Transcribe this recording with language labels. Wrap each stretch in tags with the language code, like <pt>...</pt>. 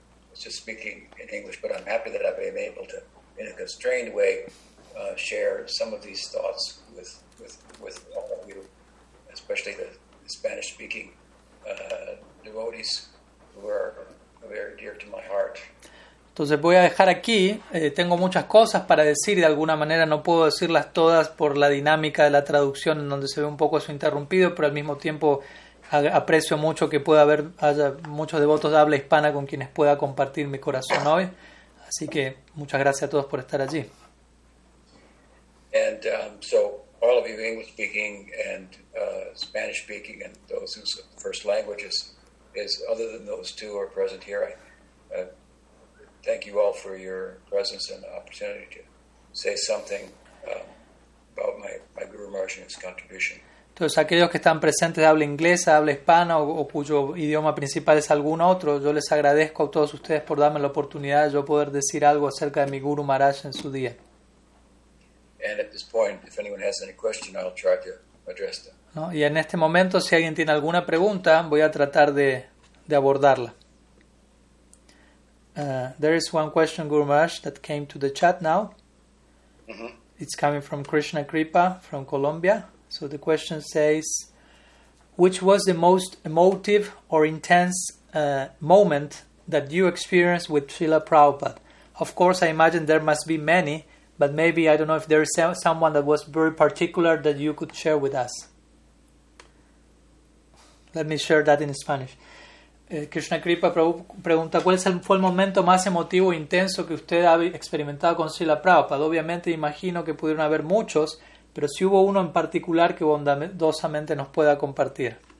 <en>was just speaking in English, but I'm happy that I've been able to, in a constrained way, share some of these thoughts with all of you, especially the Spanish-speaking devotees who are very dear to my heart.</en> <es>Entonces voy a dejar aquí, tengo muchas cosas para decir y de alguna manera no puedo decirlas todas por la dinámica de la traducción en donde se ve un poco eso interrumpido, pero al mismo tiempo aprecio mucho que pueda haber, haya muchos devotos de habla hispana con quienes pueda compartir mi corazón hoy. Así que muchas gracias a todos por estar allí.</es> <en>And so all of you English speaking and Spanish speaking and those whose first languages is other than those two are present here, thank you all for your presence and the opportunity to say something about my Guru Maharaj and his contribution.</en> <es>Entonces, aquellos que están presentes de habla inglesa, habla hispana o cuyo idioma principal es algún otro, yo les agradezco a todos ustedes por darme la oportunidad de yo poder decir algo acerca de mi Guru Maharaj en su día.</es> <en>And at this point, if anyone has any question, I'll try to address them.</en> <es>¿No? Y en este momento, si alguien tiene alguna pregunta, voy a tratar de abordarla.</es> <en>There is one question, Guru Maharaj, that came to the chat now. Mm-hmm. It's coming from Krishna Kripa from Colombia. So the question says, which was the most emotive or intense moment that you experienced with Srila Prabhupada? Of course, I imagine there must be many, but maybe, I don't know if there is someone that was very particular that you could share with us. Let me share that in Spanish.</en> <es>Krishna Kripa pregunta, ¿cuál fue el momento más emotivo e intenso que usted ha experimentado con Srila Prabhupada? Obviamente, imagino que pudieron haber muchos, pero si hubo uno en particular que bondadosamente nos pueda compartir.</es>